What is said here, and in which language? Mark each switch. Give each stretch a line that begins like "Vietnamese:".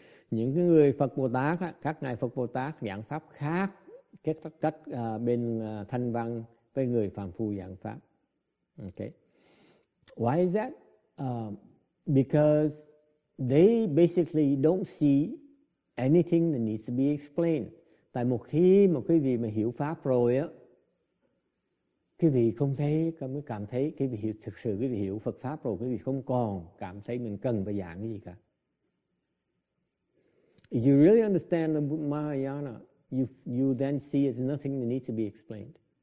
Vietnamese: Những cái người Phật Bồ Tát, các ngài Phật Bồ Tát giảng pháp khác cách bên thanh văn với người phàm phu giảng pháp.
English: Okay. Why is that? Because they basically don't see anything that needs to be explained.
Vietnamese: Tại một khi mà quý vị mà hiểu pháp rồi á, quý vị không thấy, mới cảm thấy quý vị hiểu, thực sự quý vị hiểu Phật pháp rồi, quý vị không còn cảm thấy mình cần phải giảng cái gì cả.
English: If you really understand the Mahayana, you then see it's nothing that needs to be explained.